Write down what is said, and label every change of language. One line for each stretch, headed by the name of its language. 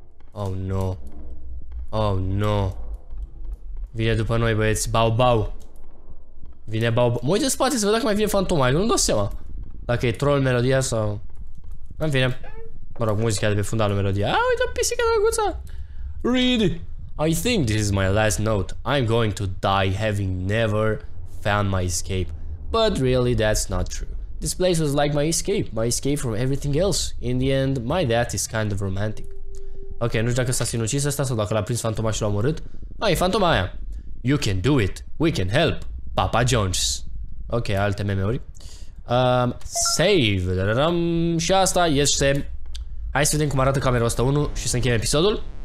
Romanian: Oh, nu. Oh, nu. Vine după noi, băieți. Bau, bau. Vine bau, bau. Mă uit în spate să văd dacă mai vine fantoma. Eu nu-mi dau seama. Dacă e troll melodia sau... În fine. Mă rog, muzica de pe fundal melodia. A, uite-o pisica drăguță.
English: Read. I think this is my last note. I'm going to die having never found my escape. But really, that's not true. This place was like my escape from everything else. In the end, my death is kind of romantic.
Romanian: Ok, nu știu dacă s-a sinucis asta sau dacă l-a prins fantoma și l-a omorât. Ai, fantoma aia.
English: You can do it. We can help.
Romanian: Papa Jones. Ok, alte meme-uri. Save. Și asta este... Hai să vedem cum arată camera asta 1 și să încheiem episodul.